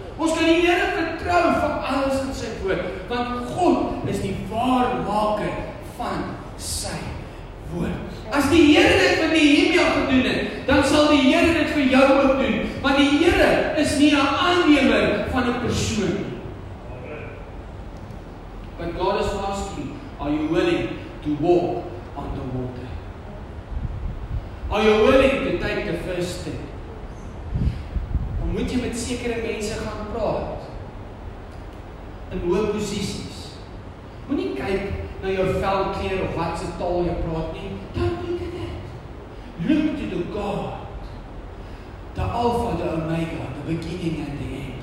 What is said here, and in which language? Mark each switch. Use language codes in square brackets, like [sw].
[af] Ons kan die Here vertrou vir alles in sy woord, want God is die waarmaker van sy woord. As die Here dit vir Nehemia gedoen het, dan sal die Here dit vir jou ook doen, want die Here is nie 'n aanneming van 'n persoon. [en] But God is asking, are you willing to walk on the water? Are you willing to take the first step? [af] Dan moet jy met sekere mense gaan praat in hoë posisies. Moenie kyk na jou velkleur of wat se taal jy praat nie. [en] Don't look at it. Look to the God, the Alpha, the Omega, the beginning and the end.